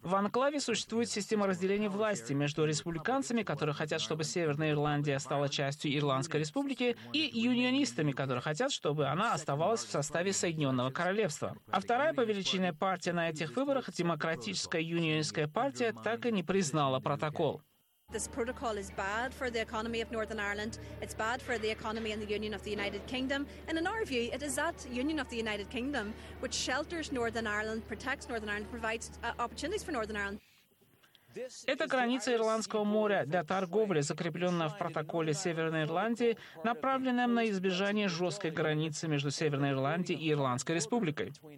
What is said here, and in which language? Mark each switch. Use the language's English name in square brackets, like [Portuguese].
[Russian] В анклаве существует система разделения власти между республиканцами, которые хотят, чтобы Северная Ирландия стала частью Ирландской республики, и юнионистами, которые хотят, чтобы она оставалась в составе Соединенного Королевства. А вторая по величине партия на этих выборах, Демократическая юнионистская партия, так и не признала протокол. [English] This protocol is bad for the economy of Northern Ireland. It's bad for the economy and the union of the United Kingdom. And in our view, it is that union of the United Kingdom which shelters Northern Ireland, protects Northern Ireland, provides opportunities for Northern Ireland. [Russian] Эта граница Ирландского моря для торговли, закрепленная в протоколе Северной Ирландии, направленная на избежание жесткой границы между Северной Ирландией и Ирландской республикой.